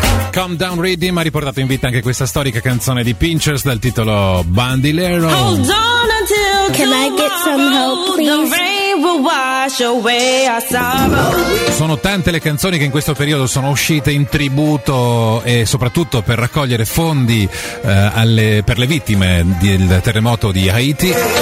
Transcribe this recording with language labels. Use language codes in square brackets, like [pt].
[it] Calm Down Rhythm ha riportato in vita anche questa storica canzone di Pinchers dal titolo Bandilero. [en] Hold on until tomorrow. Can I get some help, please? The rain will wash away our sorrow. [it] Sono tante le canzoni che in questo periodo sono uscite in tributo e soprattutto per raccogliere fondi per le vittime del terremoto di Haiti.